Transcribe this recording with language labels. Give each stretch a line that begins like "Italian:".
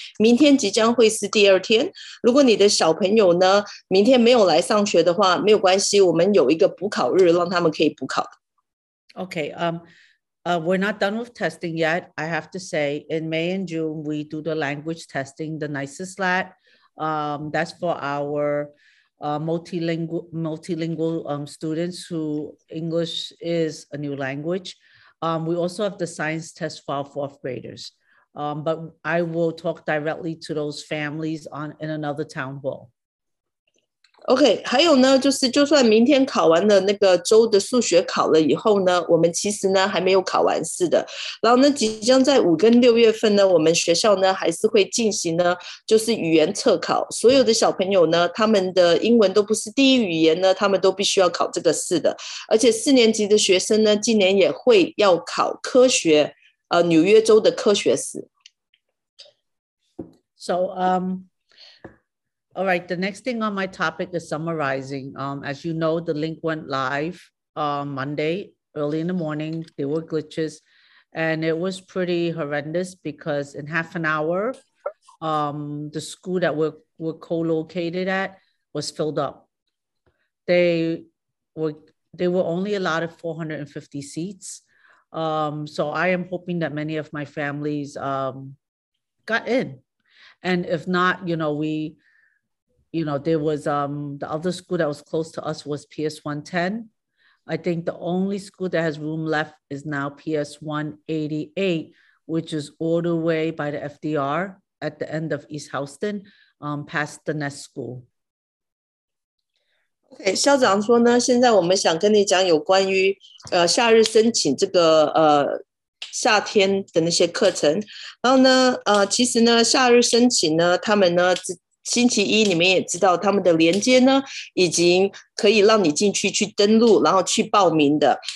Chinese: 明天即将会是第二天，如果你的小朋友呢明天没有来上学的话，没有关系，我们有一个补考日让他们可以补考。
English: Okay, we're not done with testing yet. I have to say, in May and June, we do the language testing, the nicest lat. That's for our multilingual students who English is a new language. We also have the science test for our fourth graders. But I will talk directly to those families in another town hall.
Chinese: OK, 还有呢就是就算明天考完了那个周的数学考了以后呢，我们其实呢还没有考完试的。然后呢即将在五跟六月份呢，我们学校呢还是会进行呢就是语言测考。所有的小朋友呢他们的英文都不是第一语言呢，他们都必须要考这个试的。而且四年级的学生呢今年也会要考科学纽约州的科学试。
English: So,All right, the next thing on my topic is summarizing. As you know, the link went live Monday, early in the morning. There were glitches, and it was pretty horrendous because in half an hour, the school that we're co-located at was filled up. They were only allotted 450 seats. So I am hoping that many of my families got in. And if not, there was the other school that was close to us was PS 110. I think the only school that has room left is now PS 188, which is all the way by the FDR at the end of East Houston, past the Nest School.
Chinese: OK, 校长说呢，现在我们想跟你讲有关于夏日申请这个夏天的那些课程。然后呢，其实呢，夏日申请呢，他们呢星期一你们也知道他们的连接呢已经可以让你进去去登录然后去报名的。